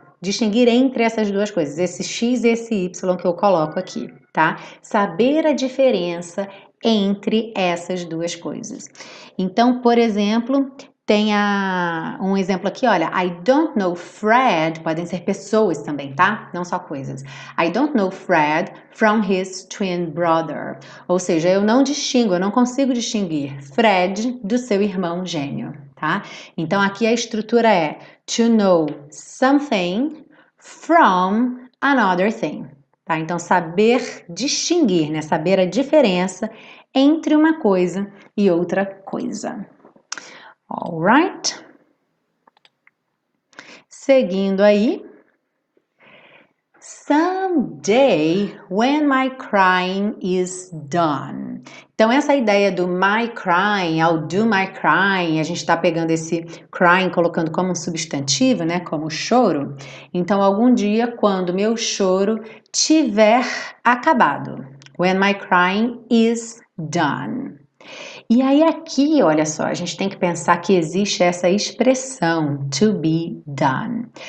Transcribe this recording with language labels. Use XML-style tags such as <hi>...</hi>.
<pt>Distinguir entre essas duas coisas, esse X e esse Y que eu coloco aqui, tá? Saber a diferença entre essas duas coisas. Então, por exemplo, tem um exemplo aqui, olha.</pt> <en>I don't know Fred,</en> <pt>podem ser pessoas também, tá? Não só coisas.</pt> <en>I don't know Fred from his twin brother.</en> <pt>Ou seja, eu não distingo, eu não consigo distinguir Fred do seu irmão gêmeo, tá? Então, aqui a estrutura é to know something from another thing, tá? Então, saber distinguir, né? Saber a diferença entre uma coisa e outra coisa. Alright? Seguindo aí.</pt> <en>Someday, when my crying is done.</en> <pt>Então, essa ideia do my crying,</pt> <en>I'll do my crying,</en> <pt>a gente está pegando esse crying, colocando como um substantivo, né? Como choro. Então, algum dia, quando meu choro tiver acabado.</pt> <en>When my crying is done.</en> <pt>E aí, aqui, olha só, a gente tem que pensar que existe essa expressão to be done.</pt>